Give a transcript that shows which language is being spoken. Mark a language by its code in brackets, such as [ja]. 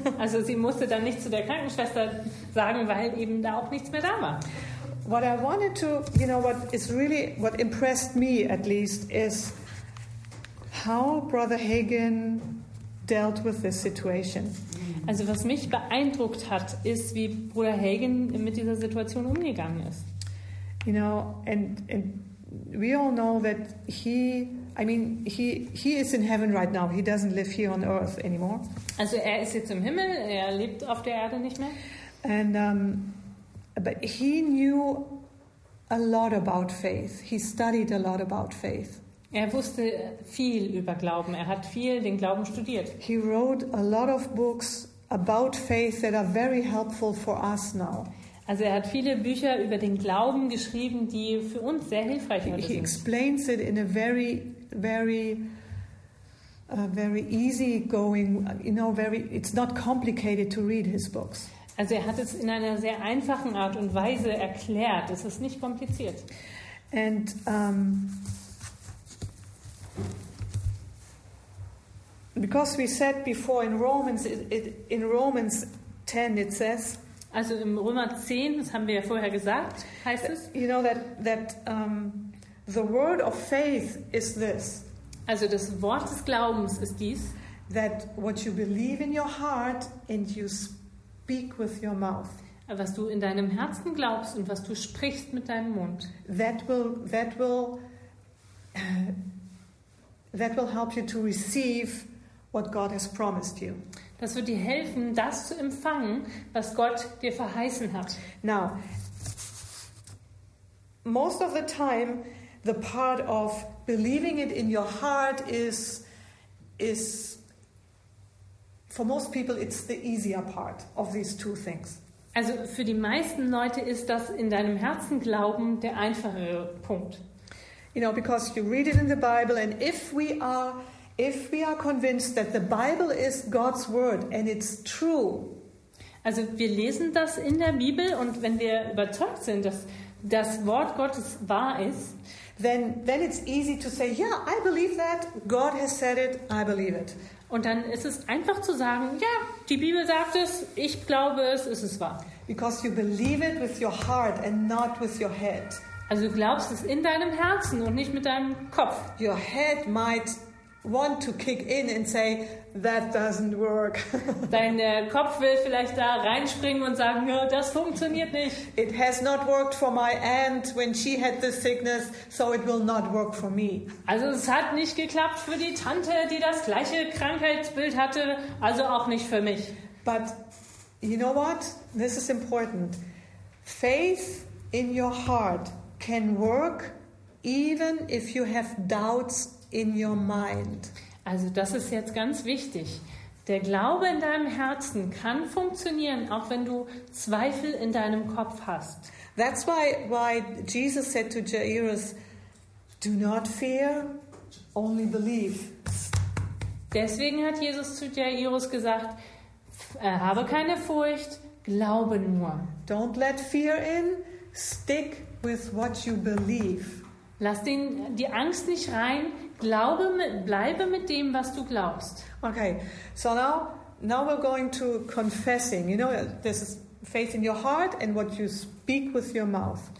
[de] Also sie musste dann nicht zu der Krankenschwester sagen, weil eben da auch nichts mehr da war. [en] What I wanted to, you know, what is really, what impressed me at least is how Brother Hagen dealt with this situation. [de] Also was mich beeindruckt hat, ist wie Bruder Hagen mit dieser Situation umgegangen ist. [en] You know, and we all know that he is in heaven right now. He doesn't live here on earth anymore. [de] Also er ist jetzt im Himmel, er lebt auf der Erde nicht mehr. [en] And but he knew a lot about faith. He studied a lot about faith. [de] Er wusste viel über Glauben. Er hat viel den Glauben studiert. [en] He wrote a lot of books about faith that are very helpful for us now. [de] Also er hat viele Bücher über den Glauben geschrieben, die für uns sehr hilfreich sind. [en] He explains it in a very, very, very easy going, you know, very, it's not complicated to read his books. [de] Also er hat es in einer sehr einfachen Art und Weise erklärt. Es ist nicht kompliziert. [en] And because we said before in Romans, in Romans 10 it says. [de] Also im Römer 10, das haben wir ja vorher gesagt, heißt es. [en] You know that the word of faith is this. [de] Also das Wort des Glaubens ist dies. [en] That what you believe in your heart and you speak with your mouth. [de] was du in deinem Herzen glaubst und was du sprichst mit deinem Mund. [en] That will help you to receive what God has promised you. [de] Das wird dir helfen, das zu empfangen, was Gott dir verheißen hat. [en] Now, most of the time, the part of believing it in your heart is for most people it's the easier part of these two things. [de] Also für die meisten Leute ist das in deinem Herzen glauben der einfachere Punkt. [en] You know, because you read it in the Bible, and if we are convinced that the Bible is God's word and it's true. [de] Also wir lesen das in der Bibel, und wenn wir überzeugt sind, dass das Wort Gottes wahr ist, [en] then it's easy to say, yeah, I believe that. God has said it, I believe it. [de] Und dann ist es einfach zu sagen, ja, die Bibel sagt es, ich glaube es, es ist wahr. [en] Because you believe it with your heart and not with your head. [de] Also du glaubst es in deinem Herzen und nicht mit deinem Kopf. [en] Your head might want to kick in and say, that doesn't work. [de] Dein Kopf will vielleicht da reinspringen und sagen, no, das funktioniert nicht. [en] It has not worked for my aunt when she had this sickness, so it will not work for me. [de] Also es hat nicht geklappt für die Tante, die das gleiche Krankheitsbild hatte, also auch nicht für mich. [en] But you know what? This is important. Faith in your heart can work even if you have doubts in your mind. [de] Also das ist jetzt ganz wichtig. Der Glaube in deinem Herzen kann funktionieren, auch wenn du Zweifel in deinem Kopf hast. [en] That's why Jesus said to Jairus, do not fear, only believe. [de] Deswegen hat Jesus zu Jairus gesagt, habe keine Furcht, glaube nur. [en] Don't let fear in, stick with what you believe. [de] Lass die Angst nicht rein. Bleibe mit dem, was du glaubst. [en] Okay, so now we're going to confessing. You know, this is faith in your heart and what you speak with your mouth.